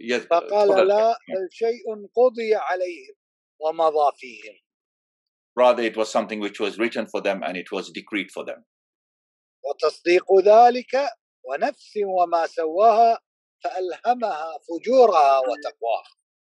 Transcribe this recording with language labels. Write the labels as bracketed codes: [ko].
[ar] فقال لا شيء قضي عليهم ومضى فيهم. [en] Rather, it was something which was written for them and it was decreed for them. [ar] وتصديق ذلك ونفس وما سواها فألهمها فجورها وتقواها.